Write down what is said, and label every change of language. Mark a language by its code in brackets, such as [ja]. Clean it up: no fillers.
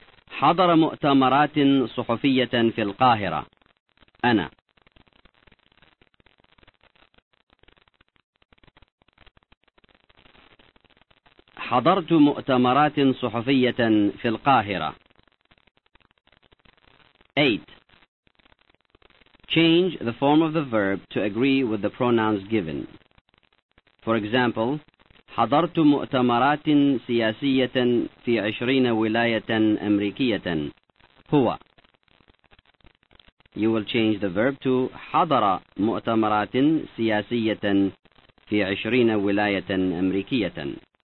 [ar] حضر مؤتمرات صحفية في القاهرة. أنا. حضرت مؤتمرات صحفية في القاهرة. [en] 8. Change the form of the verb to agree with the pronouns given. [ar] For example, حضرت مؤتمرات سياسية في 20 ولاية أمريكية. هو. You will change the verb to حضر مؤتمرات سياسية في 20 ولاية أمريكية.